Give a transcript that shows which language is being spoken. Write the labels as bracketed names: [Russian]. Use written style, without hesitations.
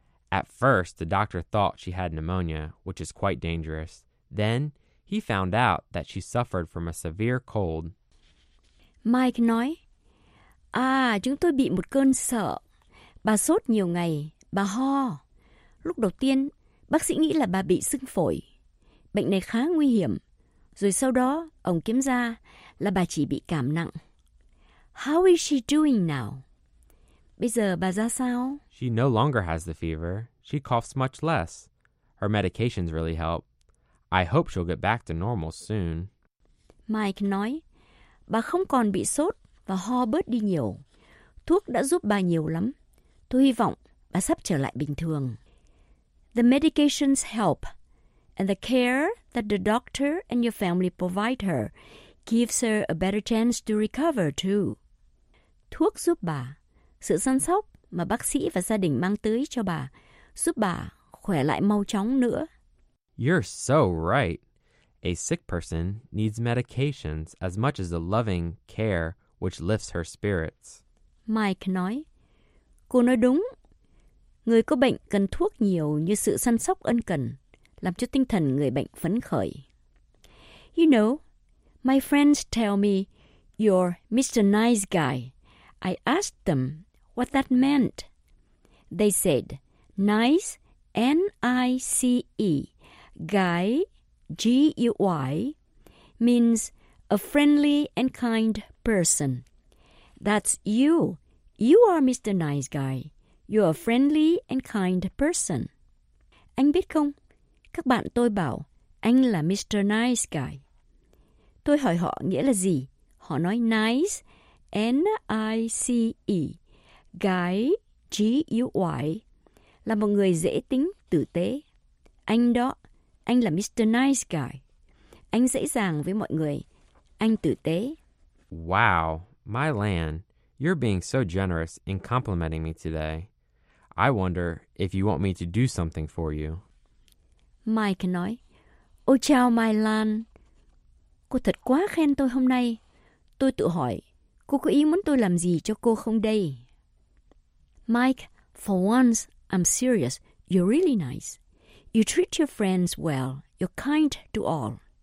[English] At first, the doctor thought she had pneumonia, which is quite dangerous. Then, he found out that she suffered from a severe cold. [Vietnamese] Mike nói, À, chúng tôi bị một cơn sợ. Bà sốt nhiều ngày, bà ho. Lúc đầu tiên, bác sĩ nghĩ là bà bị sưng phổi. Bệnh này khá nguy hiểm. Rồi sau đó, ông kiểm tra là bà chỉ bị cảm nặng. [English] How is she doing now? [Vietnamese] Bây giờ bà ra sao? [English] She no longer has the fever. She coughs much less. Her medications really help. I hope she'll get back to normal soon. [Vietnamese] Mike nói, bà không còn bị sốt và ho bớt đi nhiều. Thuốc đã giúp bà nhiều lắm. Tôi hy vọng bà sắp trở lại bình thường. [English] The medications help, and the care that the doctor and your family provide her gives her a better chance to recover, too. [Vietnamese] Thuốc giúp bà. Sự săn sóc mà bác sĩ và gia đình mang tới cho bà giúp bà khỏe lại mau chóng nữa. [English] You're so right. A sick person needs medications as much as the loving care which lifts her spirits. [Vietnamese] Mike nói, cô nói đúng. Người có bệnh cần thuốc nhiều như sự săn sóc ân cần, làm cho tinh thần người bệnh phấn khởi. [English] You know, my friends tell me you're Mr. Nice Guy. I asked them what that meant. They said nice, N-I-C-E, guy, G-U-Y, means a friendly and kind person. That's you. You are Mr. Nice Guy. You're a friendly and kind person. [Vietnamese] Anh biết không? Các bạn tôi bảo anh là Mr. Nice Guy. Tôi hỏi họ nghĩa là gì? Họ nói nice, N-I-C-E, guy, G-U-Y, là một người dễ tính, tử tế. Anh đó, anh là Mr. Nice Guy. Anh dễ dàng với mọi người. Anh tử tế. [English] Wow, my Lan, you're being so generous in complimenting me today. I wonder if you want me to do something for you. [Vietnamese] Mike nói, Ôi chào My Lan. Cô thật quá khen tôi hôm nay. Tôi tự hỏi, cô có ý muốn tôi làm gì cho cô không đây? [English] Mike, for once, I'm serious. You're really nice. You treat your friends well. You're kind to all.